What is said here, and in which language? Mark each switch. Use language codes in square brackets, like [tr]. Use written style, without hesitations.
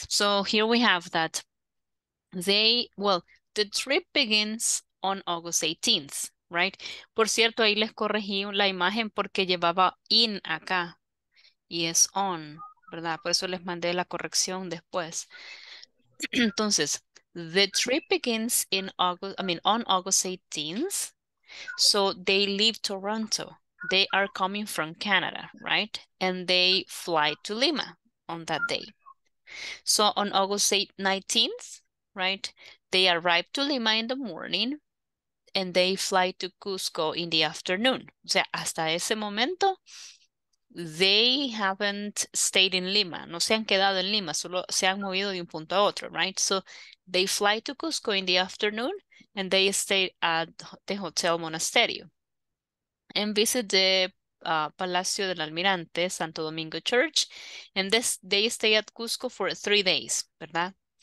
[en] So here we have that they, well, the trip begins on August 18th, right? [es] Por cierto, ahí les corregí la imagen porque llevaba in acá y es on, ¿verdad? Por eso les mandé la corrección después. Entonces, [en] the trip begins in August, I mean, on August 18th. So they leave Toronto. They are coming from Canada, right? And they fly to Lima on that day. So on August 19th, right? They arrive to Lima in the morning and they fly to Cusco in the afternoon. [es] O sea, hasta ese momento, [en] they haven't stayed in Lima. [es] No se han quedado en Lima, solo se han movido de un punto a otro, right? [en] So they fly to Cusco in the afternoon and they stay at the Hotel Monasterio and visit the Palacio del Almirante, Santo Domingo Church, and this, they stay at Cusco for 3 days, ¿verdad?